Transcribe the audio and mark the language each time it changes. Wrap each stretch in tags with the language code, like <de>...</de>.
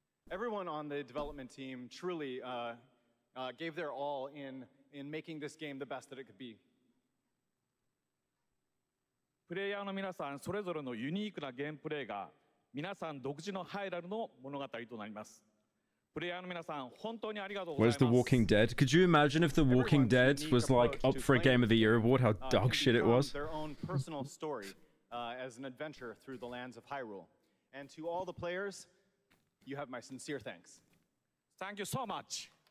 <en>Everyone on the development team truly gave their all in making this game the best that it could be.</en> <ja>プレイヤーの皆さんそれぞれのユニークなゲームプレイが皆さん独自のハイラルの物語となります。プレイヤーの皆さん本当にありがとうございます。</ja> <en>Where's The Walking Dead? Could you imagine if The Walking Dead was like up for a Game of the Year award? How dog shit it was. Their own personal story as an adventure through the lands of Hyrule. And to all the players, you have my sincere thanks. Thank you so much.</en>